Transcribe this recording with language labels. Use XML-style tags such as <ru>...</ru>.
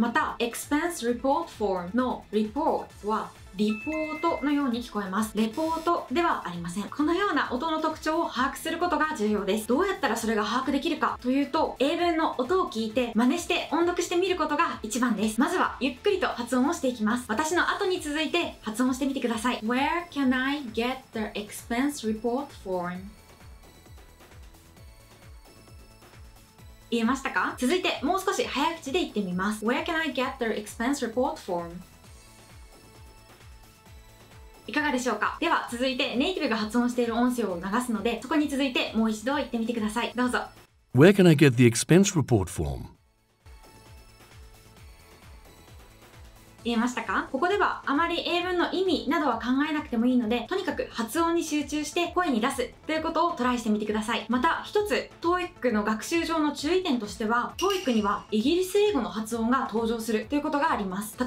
<ja>また</ja> <en>Expense Report Form</en> <ja>の Report はリポートのように聞こえます、レポートではありません。このような音の特徴を把握することが重要です。どうやったらそれが把握できるかというと、英文の音を聞いて真似して音読してみることが一番です。まずはゆっくりと発音をしていきます。私の後に続いて発音してみてください。</ja> <en>Where can I get the expense report form?</en> <ja>言えましたか？続いてもう少し早口で言ってみます。</ja> <en>Where can I get the expense report form?</en> <ja>いかがでしょうか？では続いてネイティブが発音している音声を流すので、そこに続いてもう一度言ってみてください。どうぞ。</ja> <en>Where can I get the expense report form?</en> <ja>言えましたか？ここではあまり英文の意味などは考えなくてもいいので、とにかく発音に集中して声に出すということをトライしてみてください。また一つ TOEIC の学習上の注意点としては、 TOEIC にはイギリス英語の発音が登場するということがあります。</ja>